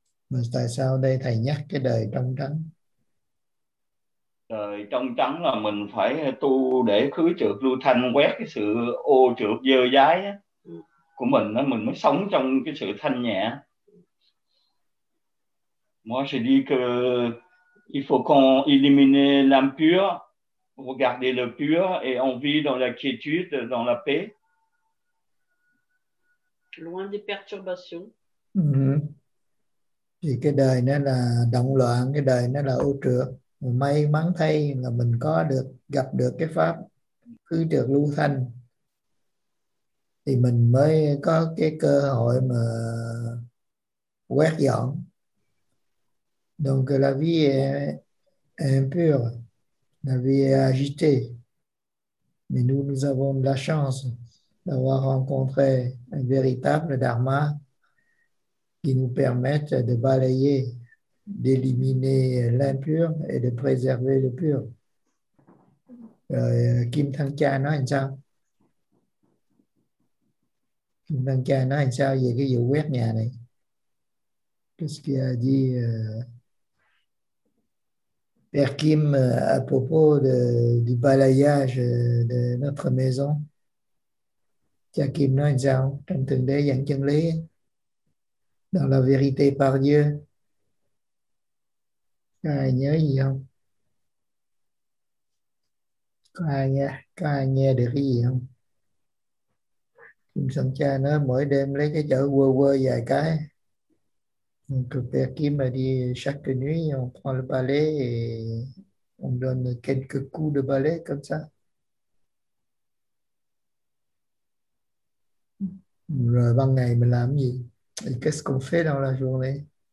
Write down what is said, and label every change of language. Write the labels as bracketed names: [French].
[Vietnamese] Mà tại sao đây thầy nhắc cái đời trong trắng? Đời trong trắng là mình phải tu để khứ trượt lưu thanh, quét cái sự ô trượt dơ dái của mình đó, mình mới sống trong cái sự thanh nhẹ. [French] Moi je dis que il faut qu'on élimine l'impur pour garder le pur et on vit dans la quiétude, dans la paix. Loin des perturbations. [Vietnamese] Thì cái đời nó là động loạn, cái đời nó là ô trượt. May mắn thay là mình có được gặp được cái pháp khứ trượt lưu thanh thì mình mới có cái cơ hội mà quét dọn. [French] Donc la vie est impure, la vie est agitée. Mais nous avons la chance d'avoir rencontré un véritable dharma qui nous permettent de balayer, d'éliminer l'impur et de préserver le pur. [Vietnamese] Kim Thang Cha nói làm sao? Kim Thang Cha nói làm sao về cái vụ quét nhà này? [French] Qu'est-ce qu'il a dit Père Kim à propos du balayage de notre maison? [Vietnamese] Cha Kim nói làm sao? Trong thượng đế dẫn chân lý, [French] dans la vérité par Dieu. [Vietnamese] Có ai nhớ gì không? Có ai nghe được cái gì không? Kim Sơn Cha nói mỗi đêm lấy cái chỗ quơ quơ vài cái. [French] Père Kim a dit chaque nuit on prend le balai et on donne quelques coups de balai comme ça. [Vietnamese] Rồi ban ngày mình làm gì? [French] Et qu'est-ce qu'on fait dans la journée?